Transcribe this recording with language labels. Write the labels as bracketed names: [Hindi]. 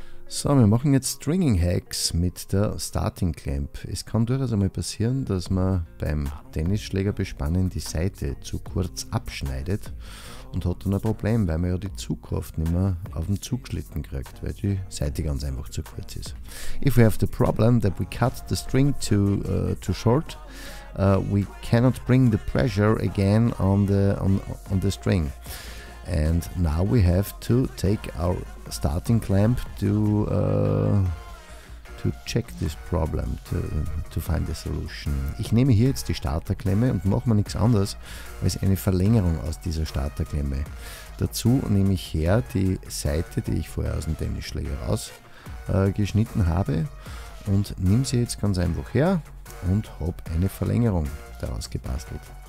[German] So, wir machen jetzt Stringing Hacks mit der Starting Clamp. Es kann durchaus einmal passieren, dass man beim Tennisschläger bespannen die Seite zu kurz abschneidet und hat dann ein Problem, weil man ja die Zugkraft nicht mehr auf den Zugschlitten kriegt, weil die Seite ganz einfach zu kurz ist. [English] If we have the problem that we cut the string too short, we cannot bring the pressure again on the string. And now we have to take our starting clamp to check this problem, to find the solution. [German] Ich nehme hier jetzt die Starterklemme und mache mir nichts anderes als eine Verlängerung aus dieser Starterklemme. Dazu nehme ich her die Seite, die ich vorher aus dem Tennisschläger rausgeschnitten habe, und nehme sie jetzt ganz einfach her und habe eine Verlängerung daraus gebastelt.